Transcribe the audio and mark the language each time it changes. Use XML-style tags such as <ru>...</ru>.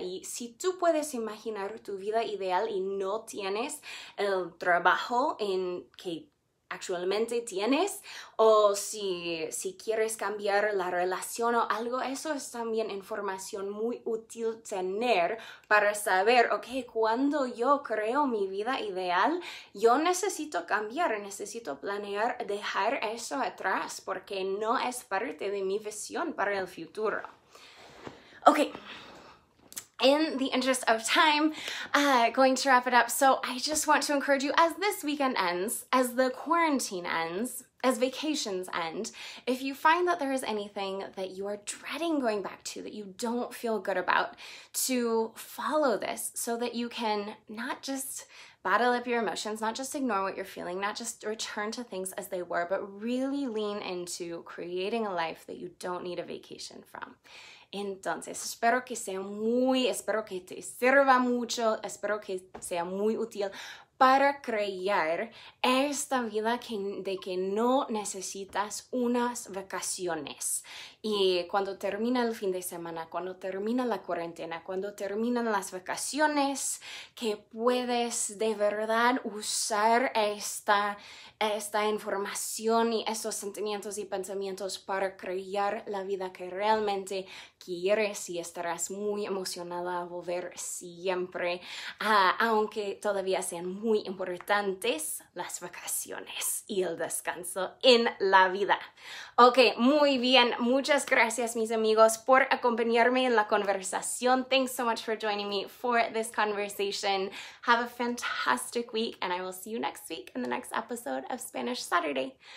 <es>Y si tú puedes imaginar tu vida ideal y no tienes el trabajo en que actualmente tienes, o si quieres cambiar la relación o algo, eso es también información muy útil tener para saber, ok, cuando yo creo mi vida ideal, yo necesito cambiar, necesito planear dejar eso atrás porque no es parte de mi visión para el futuro. Ok.</es> <en>In the interest of time, going to wrap it up. So I just want to encourage you, as this weekend ends, as the quarantine ends, as vacations end, if you find that there is anything that you are dreading going back to, that you don't feel good about, to follow this so that you can not just bottle up your emotions, not just ignore what you're feeling, not just return to things as they were, but really lean into creating a life that you don't need a vacation from.</en> <es>Entonces, espero que te sirva mucho, espero que sea muy útil para crear esta vida de que no necesitas unas vacaciones. Y cuando termina el fin de semana, cuando termina la cuarentena, cuando terminan las vacaciones, que puedes de verdad usar esta información y estos sentimientos y pensamientos para crear la vida que realmente quieres, y estarás muy emocionada a volver siempre, aunque todavía sean muy importantes las vacaciones y el descanso en la vida. Ok, muy bien. Muchas gracias, mis amigos, por acompañarme en la conversación.</es> <en>Thanks so much for joining me for this conversation. Have a fantastic week, and I will see you next week in the next episode of Spanish Saturday.</en>